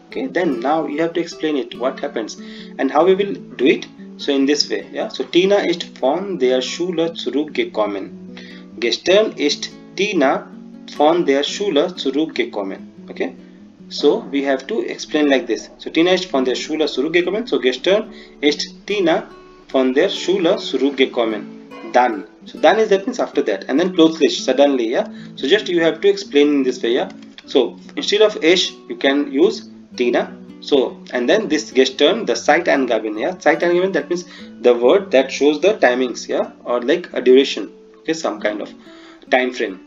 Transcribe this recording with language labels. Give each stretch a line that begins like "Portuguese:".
English: Okay, then now you have to explain it, what happens and how we will do it. So in this way, yeah, so
German: Tina ist von der Schule zurückgekommen. Gestern ist Tina von der Schule zurückgekommen.
English: Okay, so we have to explain like this.
German: So Tina ist von der Schule zurückgekommen. So gestern ist Tina von der Schule zurückgekommen.
English: Dann, so dann is that means after that, and then plötzlich, suddenly. Yeah, so just you have to explain in this way. Yeah, so instead of ist you can use Tina. So and then this gestern, the
German: Zeit angegeben.
English: Yeah, Zeit angegeben, that means the word that shows the timings. Yeah, or like a duration. Okay, some kind of time frame.